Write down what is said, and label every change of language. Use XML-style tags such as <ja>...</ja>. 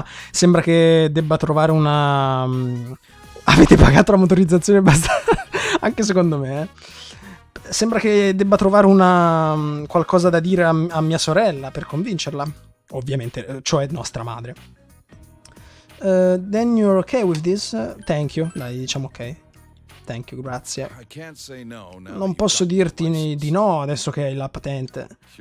<it>Sembra che debba trovare una... Avete pagato la motorizzazione abbastanza? Anche secondo me, sembra che debba trovare una qualcosa da dire a mia sorella per convincerla. Ovviamente, cioè nostra madre.</it> <en>Then you're okay with this? Thank you.</en> <it>Dai, diciamo ok.</it> <en>Thank you,</en> <it>grazie.</it> <en>I can't say no, no,</en> <it>non posso dirti di no adesso che hai la patente.</it>